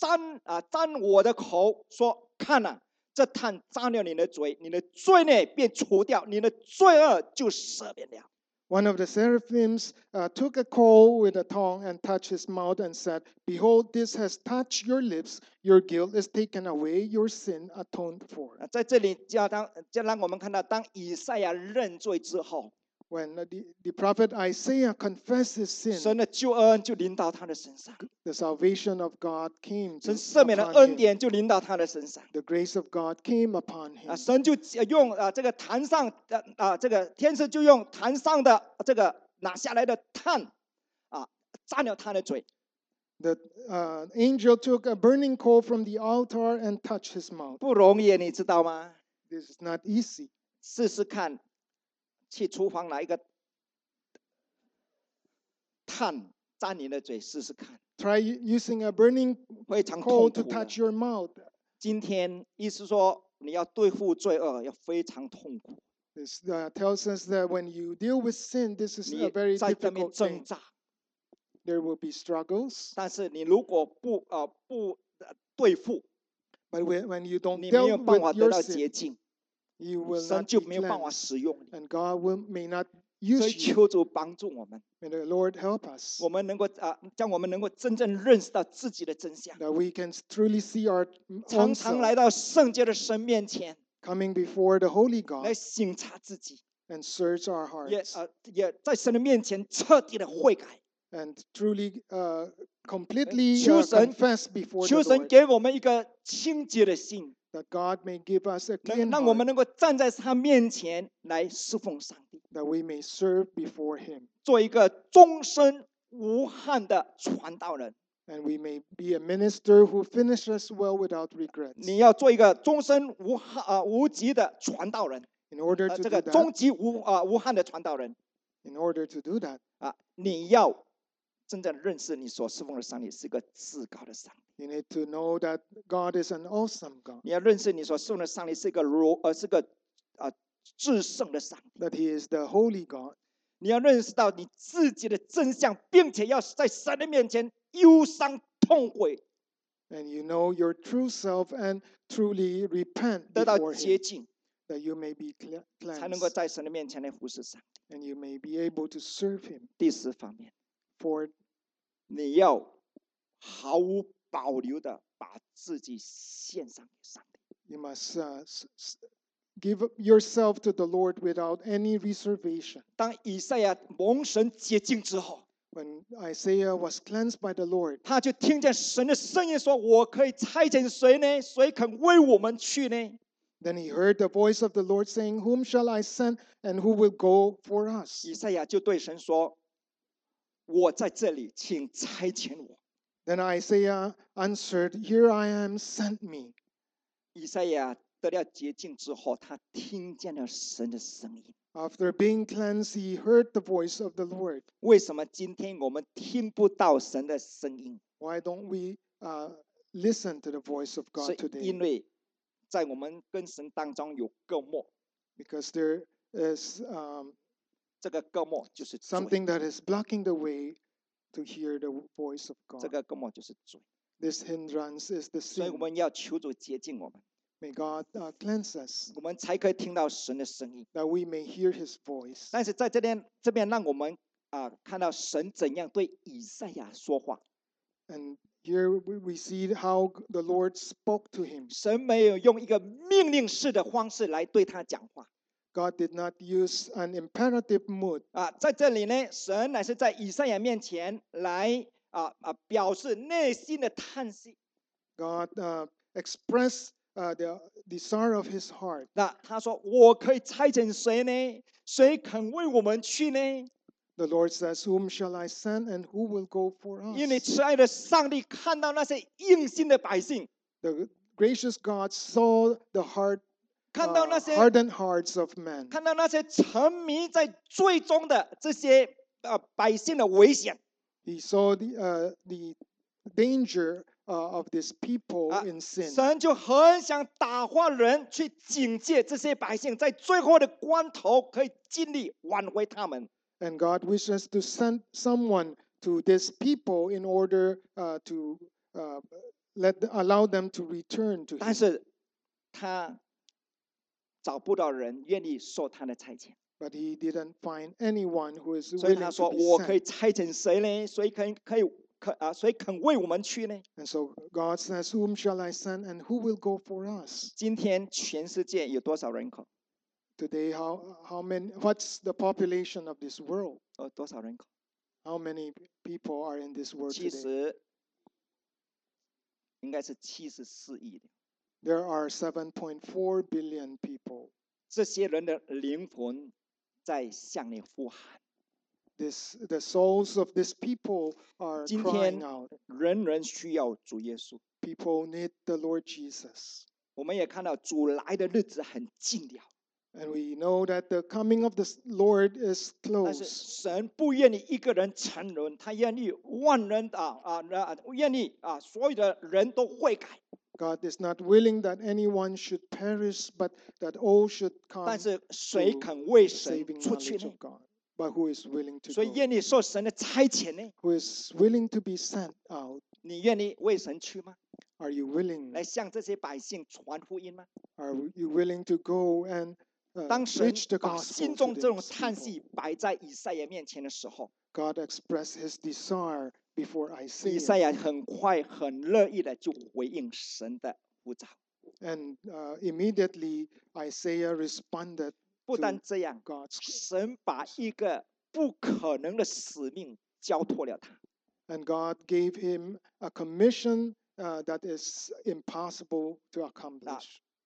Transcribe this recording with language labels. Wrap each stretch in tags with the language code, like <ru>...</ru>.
<zh>圣经说有一位撒拉佛飞到跟前，手里面拿着红炭，用火剪从坛上取下来的，将这个炭沾我的口，说看啊。这炭沾了你的嘴，你的罪孽便除掉，你的罪恶就赦免了。</zh> <en>One of the seraphims took a coal with a tongue and touched his mouth and said, "Behold, this has touched your lips. Your guilt is taken away. Your sin atoned for."</en> <zh>在这里就让我们看到，当以赛亚认罪之后，</zh> <en>when the prophet Isaiah confessed his sin,</en> <zh>神的救恩就临到他的身上。</zh> <en>The salvation of God came upon him.</en> <zh>神赦免的恩典就临到他的身上。</zh> <en>The grace of God came upon him.</en> <zh>神就用这个坛上，这个天使就用坛上的这个拿下来的炭，沾了他的嘴。</zh> <en>The angel took a burning coal from the altar and touched his mouth.</en> <zh>不容易，你知道吗？</zh> <en>This is not easy.</en> <zh>试试看。 去厨房拿一个看沾你的嘴试试看。</zh> <en>Try using a burning coal to touch your mouth.</en> <zh>今天意思说你要对付罪恶要非常痛苦。</zh> <en>This tells us that when you deal with sin, this is a very difficult thing. There will be struggles.</en> <zh>但是你如果不不对付</zh> <en>，But when you don't deal with your sin, you will not be cleansed, and God may not use you.</en> <zh>所以求主帮助我们。</zh> <en>May the Lord help us.</en> <zh>我们能够将我们能够真正认识到自己的真相。</zh> <en>That we can truly see our own.</en> <zh>常常来到圣洁的神面前。</zh> <en>Coming before the Holy God,</en> <zh>来省察自己</zh> <en>and search our hearts,</en> <zh>也在神的面前彻底的悔改</zh> <en>and truly, completely confess before the Lord.</en> <zh>求神给我们一个清洁的心</zh> <en>that God may give us a clean heart,</en> <zh>让我们能够站在他面前来侍奉上帝</zh> <en>that we may serve before Him,</en> <zh>做一个终身无憾的传道人。</zh> <en>And we may be a minister who finishes well without regrets.</en> <zh>你要做一个终身无疾的传道人。</zh> <en>In order to do that,</en> <zh>这个终极无憾的传道人。</zh> <en>In order to do that,</en> <zh>你要真正认识你所侍奉的上帝是个至高的上帝。</zh> <en>You need to know that God is an awesome God.</en> <zh>你要认识你所侍奉的上帝是个至圣的上帝。</zh> <en>That He is the holy God.</en> <zh>你要认识到你自己的真相，并且要在神的面前。忧伤痛悔</zh> <en>and you know your true self and truly repent before Him, that you may be cleansed,</en> <zh>才能够在神的面前来服侍上帝</zh> <en>and you may be able to serve Him.</en> <zh>第四方面</zh> <en>for</en> <zh>你要毫无保留的把自己献上给上帝</zh> <en>you must give yourself to the Lord without any reservation.</en> <zh>当以赛亚蒙神洁净之后</zh> <en>When Isaiah was cleansed by the Lord,</en> <zh>他就听见神的声音说：“我可以差遣谁呢？谁肯为我们去呢？”</zh> <en>Then he heard the voice of the Lord saying, "Whom shall I send, and who will go for us?"</en> <zh>以赛亚就对神说：“我在这里，请差遣我。”</zh> <en>Then Isaiah answered, "Here I am, send me."</en> <zh>以赛亚得了洁净之后，他听见了神的声音。</zh> <en>After being cleansed, he heard the voice of the Lord.</en> <zh>为什么今天我们听不到神的声音？</zh> <en>Why don't we listen to the voice of God today?</en> <zh>是因为在我们跟神当中有隔膜。</zh> <en>Because there is</en> <zh>这个隔膜就是</zh> <en>something that is blocking the way to hear the voice of God.</en> <zh>这个隔膜就是罪。</zh> <en>This hindrance is the sin.</en> <zh>所以我们要求主洁净我们。</zh> <en>May God cleanse us,</en> <zh>我们才可以听到神的声音</zh> <en>that we may hear His voice.</en> <zh>但是在这边让我们看到神怎样对以赛亚说话</zh> <en>And here we see how the Lord spoke to him.</en> <zh>神没有用一个命令式的方式来对他讲话</zh> <en>God did not use an imperative mood.</en> <zh>在这里呢，神乃是在以赛亚面前来表示内心的叹息</zh> <en>God expressed the desire of his heart.</en> <zh>那他说，我可以差遣谁呢？谁肯为我们去呢</zh> <en>？The Lord says, "Whom shall I send, and who will go for us?"</en> <zh>因为慈爱的上帝看到那些硬心的百姓</zh> <en>，The gracious God saw the heart,</en> <zh>看到那些</zh> <en>hardened hearts of men,</en> <zh>看到那些沉迷在最终的这些百姓的危险。</zh> <en>He saw the danger. Of these people in sin.</en> <zh>神就很想打发人去警戒这些百姓，在最后的关头可以尽力挽回他们。</zh> <en>And God wishes to send someone to these people in order allow them to return to him.</en> <zh>但是他找不到人愿意受他的差遣。</zh> <en>But he didn't find anyone who is willing to be sent.</en> <zh>所以他说：“我可以差遣谁呢？谁可以？” 谁肯为我们去呢</zh> <en>？And so God says, "Whom shall I send, and who will go for us?"</en> <zh>今天全世界有多少人口</zh> <en>？Today, how many? What's the population of this world?</en> <zh>多少人口</zh> <en>？How many people are in this world today?</en> <zh>其实应该是74亿的。</zh> <en>There are 7.4 billion people.</en> <zh>这些人的灵魂在向你呼喊。</zh> <en>This, the souls of these people are crying out.</en> <zh>人人需要主耶稣。</zh> <en>People need the Lord Jesus.</en> <zh>我们也看到主来的日子很近了。</zh> <en>And we know that the coming of the Lord is close.</en> <zh>但是神不愿意一个人沉沦，他愿意万人愿意所有的人都悔改。</zh> <en>God is not willing that anyone should perish, but that all should come.</en> <zh>但是谁肯为神出去呢？</zh> <en>But who is willing to go?</en> <zh>所以愿意受神的差遣呢？</zh> <en>Who is willing to be sent out?</en> <zh>你愿意为神去吗？</zh> <en>Are you willing?</en> <zh>来向这些百姓传福音吗？</zh> <en>Are you willing to go and preach the gospel?</en> <zh>当神把心中这种叹息摆在以赛亚面前的时候，</zh> <en>God expressed his desire before Isaiah.</en> <zh>以赛亚很快很乐意的就回应神的呼召。</zh> <en>And immediately Isaiah responded.</en> <zh>不但这样， 神把一个不可能的使命交托了他。</zh> <en>And God gave him a commission that is impossible to accomplish.</en>